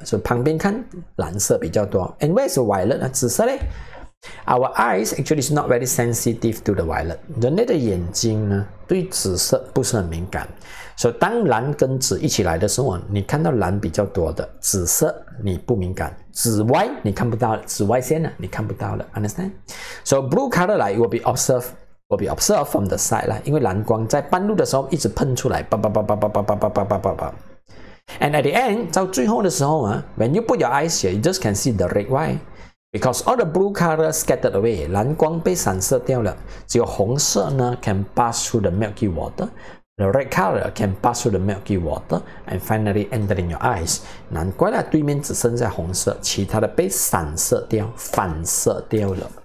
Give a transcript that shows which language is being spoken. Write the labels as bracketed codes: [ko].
[zh] 所以旁边看蓝色比较多。 [en] And where is the violet? [zh] 紫色呢? [en] Our eyes actually is not very sensitive to the violet. [zh] 人类的眼睛呢对紫色不是很敏感。所以当蓝跟紫一起来的时候你看到蓝比较多的紫色你不敏感。紫外你看不到紫外线呢你看不到了。 [en] Understand? So blue color light will be observed. Will be observed from the side, lah. [zh] 因为蓝光在半路的时候一直喷出来，叭叭叭叭 [en] 叭叭叭叭叭叭叭叭。 And at the end, [zh] 到最后的时候啊 [en] when you put your eyes here, you just can see the red white, because all the blue color scattered away. [zh] 蓝光被散射掉了，只有红色呢 [en] can pass through the milky water. The red color can pass through the milky water and finally entering your eyes. [zh] 难怪啦，对面只剩下红色，其他的被散射掉、反射掉了。